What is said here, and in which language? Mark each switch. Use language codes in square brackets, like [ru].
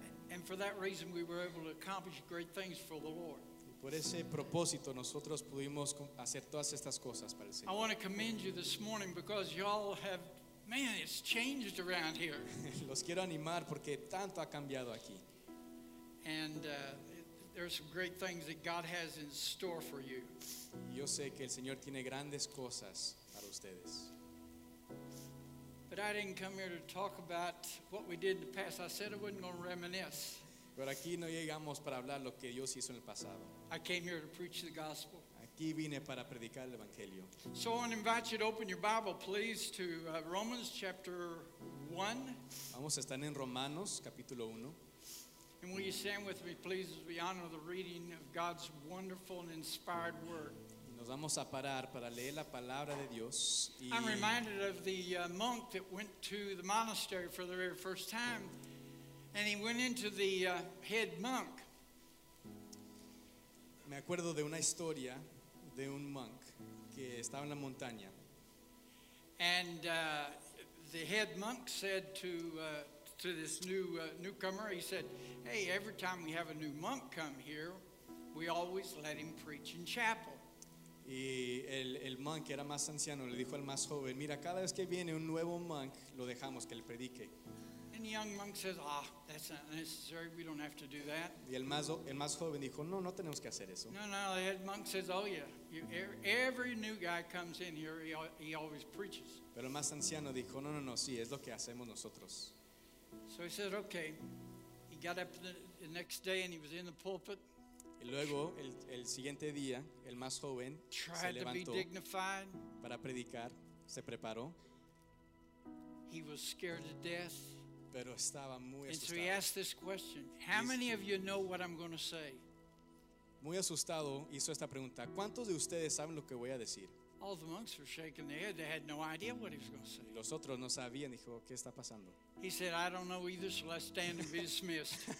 [en] And for that reason we were able to accomplish great things for the Lord. [es] Por ese propósito nosotros pudimos hacer todas estas cosas para el Señor. [en] I want to commend you this morning because y'all have, man, it's changed around here. [es] Los quiero animar porque tanto ha cambiado aquí. [en] And there are some great things that God has in store for you. [es] Yo sé que el Señor tiene grandes cosas para ustedes. [en] But I didn't come here to talk about what we did in the past. I said I wasn't going to reminisce. [es] Pero aquí no llegamos para hablar lo que Dios hizo en el pasado. [en] I came here to preach the gospel. [es] Aquí vine para predicar el evangelio. [en] So I want to invite you to open your Bible, please, to Romans chapter 1. [es] Vamos a estar en Romanos, capítulo 1. [en] And will you stand with me, please, as we honor the reading of God's wonderful and inspired word. [es] Nos vamos a parar para leer la palabra de Dios. Y [en] I'm reminded of the monk that went to the monastery for the very first time. And he went into the head monk. [es] Me acuerdo de una historia de un monk que estaba en la montaña. [en] And the head monk said to this newcomer, he said, "Hey, every time we have a new monk come here, we always let him preach in chapel." [es] Y el monk que era más anciano le dijo al más joven, "Mira, cada vez que viene un nuevo monk, lo dejamos que él predique." [en] And the young monk says, that's not necessary. We don't have to do that. [es] Y el más joven dijo, no tenemos que hacer eso. [en] No, the head monk says, every new guy comes in here, he always preaches. [es] Pero el más anciano dijo, no, sí, es lo que hacemos nosotros. [en] So he said, okay. He got up the next day and he was in the pulpit. [es] Y luego, el siguiente día, el más joven [en] tried [es] se levantó [en] to be dignified. [es] Para predicar, se preparó. [en] He was scared to death. [es] Pero estaba muy [en] And so he asked this question: how many of you know what I'm going to say? [es] Muy asustado hizo esta pregunta: ¿cuántos de ustedes saben lo que voy a decir? [en] All the monks were shaking their head. They had no idea what he was going to say. [es] Los otros no sabían. Dijo, ¿qué está pasando? [en] He said, "I don't know either, so let's stand and be dismissed."